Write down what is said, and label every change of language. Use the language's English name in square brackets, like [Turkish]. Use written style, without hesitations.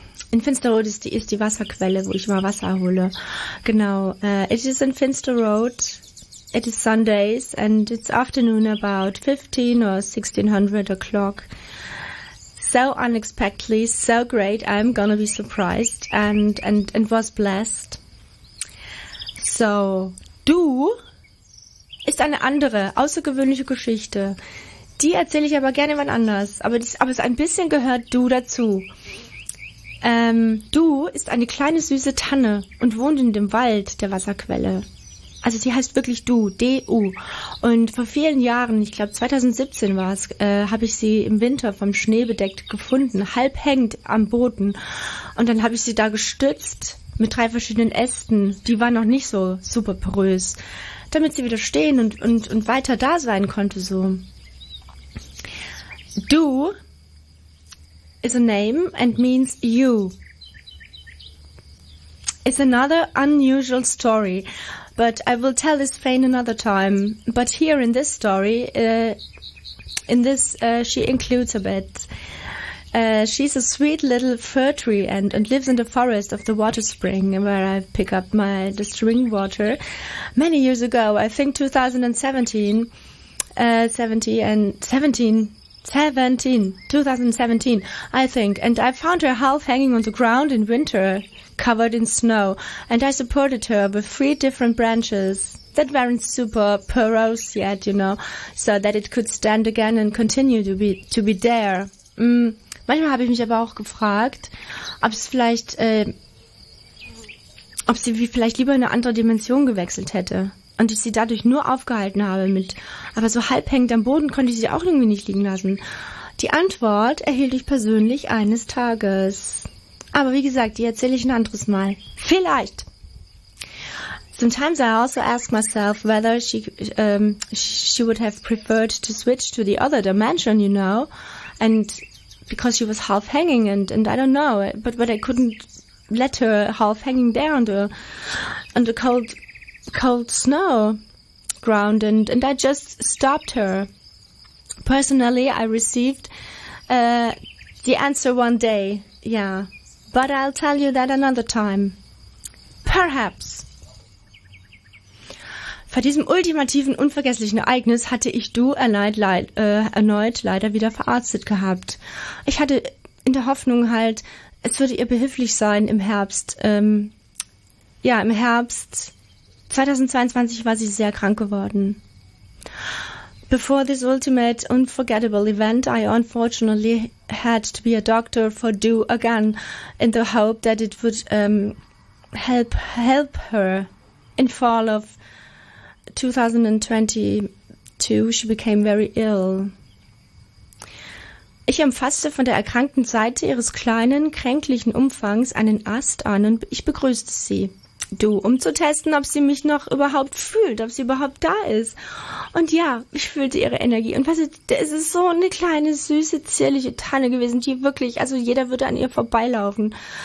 [German] In Finsterrot ist die Wasserquelle, wo ich immer Wasser hole. [English] Genau. It is in Finsterrot. It is Sundays and it's afternoon about 15 or 1600 o'clock. So unexpectedly, so great, I'm gonna be surprised and was blessed. [German] So, du ist eine andere, außergewöhnliche Geschichte. Die erzähle ich aber gerne jemand anders, aber es ein bisschen gehört du dazu. Du ist eine kleine süße Tanne und wohnt in dem Wald der Wasserquelle. Also die heißt wirklich Du, D-U. Und vor vielen Jahren, ich glaube 2017 war es, habe ich sie im Winter vom Schnee bedeckt gefunden, halb hängt am Boden. Und dann habe ich sie da gestützt mit drei verschiedenen Ästen. Die waren noch nicht so super porös. damit sie wieder stehen und weiter da sein konnte, so. [English] Du is a name and means you. It's another unusual story, but I will tell this plain another time. But here in this story, she includes a bit. She's a sweet little fir tree and lives in the forest of the water spring where I pick up the spring water. Many years ago, I think 2017, and I found her half hanging on the ground in winter, covered in snow, and I supported her with three different branches that weren't super porous yet, you know, so that it could stand again and continue to be there. [German] Manchmal habe ich mich aber auch gefragt, ob sie vielleicht lieber in eine andere Dimension gewechselt hätte und ich sie dadurch nur aufgehalten habe mit, aber so halb hängend am Boden konnte ich sie auch irgendwie nicht liegen lassen. Die Antwort erhielt ich persönlich eines Tages. Aber wie gesagt, die erzähle ich ein anderes Mal. Vielleicht. [English] Sometimes I also ask myself whether she would have preferred to switch to the other dimension, you know, and because she was half hanging and I don't know, but I couldn't let her half hanging there under cold snow ground and I just stopped her. Personally, I received the answer one day. Yeah. But I'll tell you that another time. Perhaps. [German] Vor diesem ultimativen, unvergesslichen Ereignis hatte ich Du erneut leider wieder verarztet gehabt. Ich hatte in der Hoffnung halt, es würde ihr behilflich sein im Herbst. Im Herbst 2022 war sie sehr krank geworden. [English] Before this ultimate, unforgettable event, I unfortunately had to be a doctor for Du again, in the hope that it would help her. In fall of 2022, she became very ill. [German] Ich umfasste von der erkrankten Seite ihres kleinen, kränklichen Umfangs einen Ast an und ich begrüßte sie. Du, um zu testen, ob sie mich noch überhaupt fühlt, ob sie überhaupt da ist. Und ja, ich fühlte ihre Energie. Und weißt du, es ist so eine kleine, süße, zierliche Tanne gewesen, die wirklich, also jeder würde an ihr vorbeilaufen.